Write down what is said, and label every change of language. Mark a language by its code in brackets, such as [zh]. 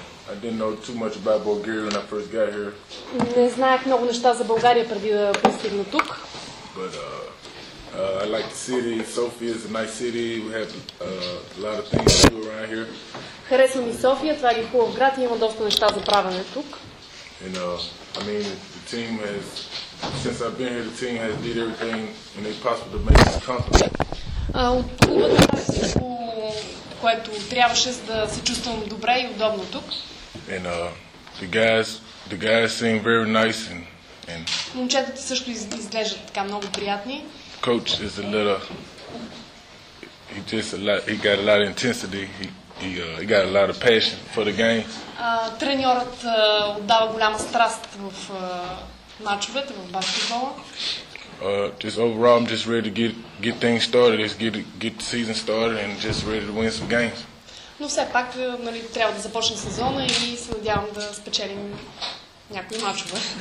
[en] I didn't know too much about Bulgaria when I first got here. [bg] Не знаех много неща за България преди да пристигна тук. [en] But I like the city. Sofia is a nice city. We have a lot of things to do around here. [bg] Харесвам и София, това е един хубав град и има доста неща за правене тук. [en] And I mean, the team has, since I've been here, the team has did everything and they possible to make this comfortable. [bg] От клуба направих което трябваше, за да се чувствам добре и удобно тук. [en] And the guys seem very nice and [bg] момчетата също изглеждат така много приятни. [en] Coach is a little, he got a lot of intensity, he got a lot of passion for the game. [bg] Треньорът отдава голяма страст в мачовете, в баскетбола. [en] Just overall, I'm just ready to get things started, just get the season started and just ready to win some games. [bg] Но все пак, нали, трябва да започне сезона и се надявам да спечелим някои мачове.